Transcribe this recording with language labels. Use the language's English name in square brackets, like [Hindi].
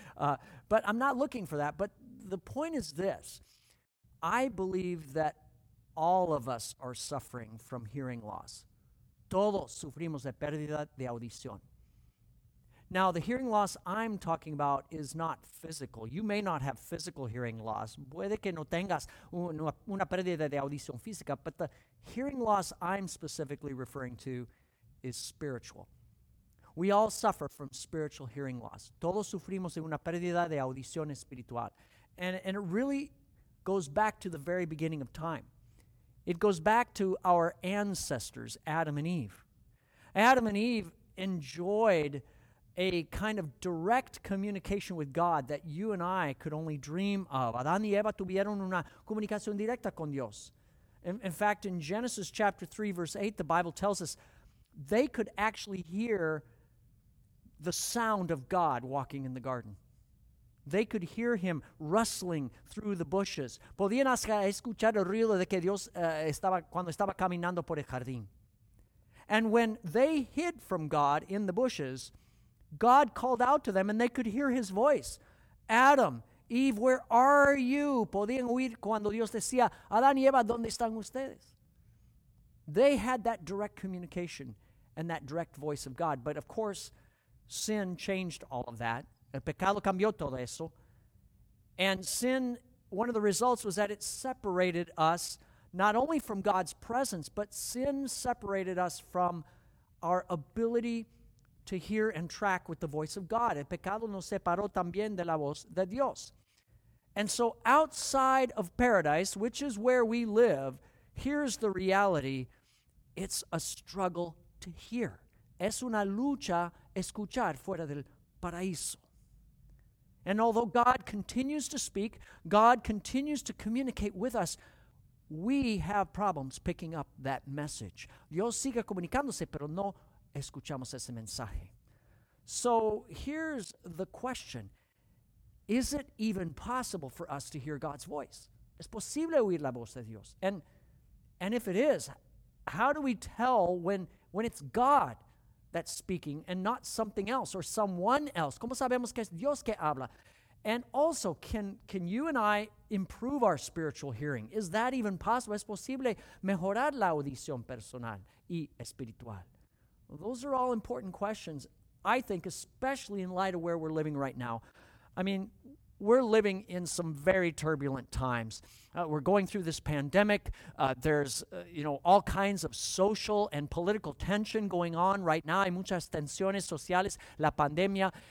[English] But I'm not looking for that. But the point is this: I believe that all of us are suffering from hearing loss. [Spanish] Todos sufrimos de pérdida de audición. [English] Now, the hearing loss I'm talking about is not physical. You may not have physical hearing loss. [Spanish] Puede que no tengas una pérdida de audición física, [English] but the hearing loss I'm specifically referring to is spiritual. We all suffer from spiritual hearing loss. [Spanish] Todos sufrimos de una pérdida de audición espiritual. [English] And it really goes back to the very beginning of time. It goes back to our ancestors, Adam and Eve. Adam and Eve enjoyed a kind of direct communication with God that you and I could only dream of. [Spanish] Adán y Eva tuvieron una comunicación directa con Dios. [English] In fact, in Genesis chapter 3, verse 8, the Bible tells us they could actually hear the sound of God walking in the garden. They could hear him rustling through the bushes. [Spanish] Podían escuchar el ruido de que Dios estaba cuando estaba caminando por el jardín. [English] And when they hid from God in the bushes, God called out to them and they could hear his voice. Adam, Eve, where are you? [Spanish] Podían oír cuando Dios decía, Adán y Eva, ¿dónde están ustedes? [English] They had that direct communication and that direct voice of God. But of course, sin changed all of that. [Spanish] El pecado cambió todo eso. [English] And sin, one of the results was that it separated us not only from God's presence, but sin separated us from our ability to hear and track with the voice of God. [Spanish] El pecado nos separó también de la voz de Dios. [English] And so outside of paradise, which is where we live, here's the reality. It's a struggle to hear. [Spanish] Es una lucha escuchar fuera del paraíso. [English] And although God continues to speak, God continues to communicate with us, we have problems picking up that message. [Spanish] Dios sigue comunicándose, pero no escuchamos ese mensaje. [English] So here's the question. Is it even possible for us to hear God's voice? [Spanish] ¿Es posible oír la voz de Dios? [English] And if it is, how do we tell when when it's God that's speaking and not something else or someone else? [Spanish] ¿Cómo sabemos que es Dios que habla? [English] And also, can you and I improve our spiritual hearing? Is that even possible? [Spanish] ¿Es posible mejorar la audición personal y espiritual? [English] Well, those are all important questions, I think, especially in light of where we're living right now. I mean, we're living in some very turbulent times. We're going through this pandemic. There's, you know, all kinds of social and political tension going on right now. [Spanish] Hay muchas tensiones sociales, la pandemia.